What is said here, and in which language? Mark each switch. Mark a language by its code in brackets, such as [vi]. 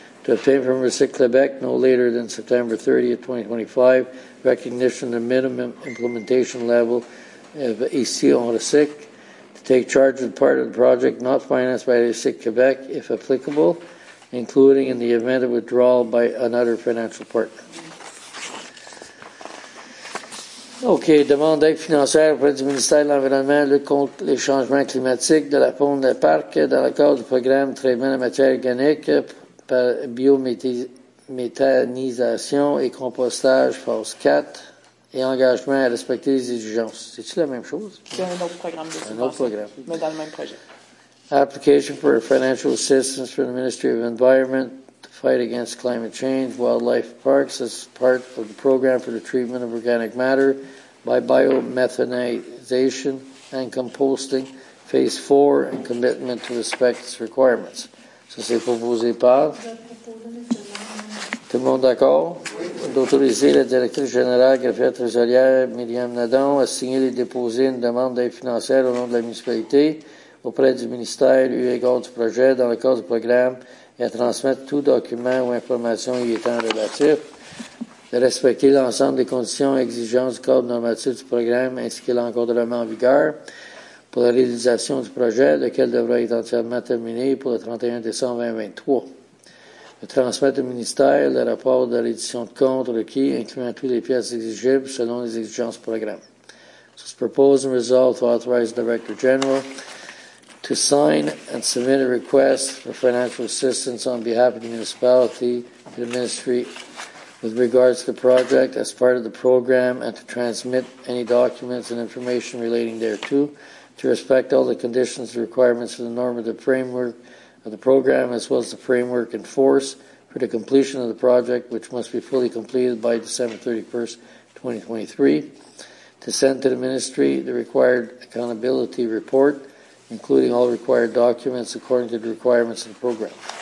[en] To obtain from RESIC Quebec no later than September 30th, 2025, recognition of the minimum implementation level of EC on RESIC. To take charge of the part of the project not financed by RESIC Quebec, if applicable, including in the event of withdrawal by another financial partner. OK. [fr] Demande d'aide financière auprès du ministère de l'Environnement, lutte contre les changements climatiques de la faune des parcs dans le cadre du programme traitement de matière organique par biométhanisation et compostage phase 4 et engagement à respecter les exigences. C'est-tu la même chose? C'est un autre programme. Un autre programme. Mais dans le même projet. [en] Application for financial assistance from the Ministry of Environment to fight against climate change, wildlife parks as part of the program for the treatment of organic matter by biomethanization and composting, phase 4, and commitment to respect its requirements. [fr] Ça, c'est proposé par? Tout le monde d'accord? Oui. D'autoriser la directrice générale, greffière trésorière, Myriam Nadeau, à signer et déposer une demande d'aide financière au nom de la municipalité auprès du ministère eu égard du projet dans le cadre du programme et à transmettre tout document ou information y étant relatif, de respecter l'ensemble des conditions et exigences du cadre normatif du programme ainsi que l'encadrement en vigueur pour la réalisation du projet, lequel devra être entièrement terminé pour le 31 décembre 2023. De transmettre au ministère le rapport de reddition de compte requis, incluant toutes les pièces exigibles selon les exigences du programme. [en] So it's proposed and resolved to authorize the Director General to sign and submit a request for financial assistance on behalf of the municipality to the ministry with regards to the project as part of the program and to transmit any documents and information relating thereto, to respect all the conditions and requirements of the normative framework of the program as well as the framework in force for the completion of the project, which must be fully completed by December 31st, 2023, to send to the ministry the required accountability report, including all required documents according to the requirements of the program.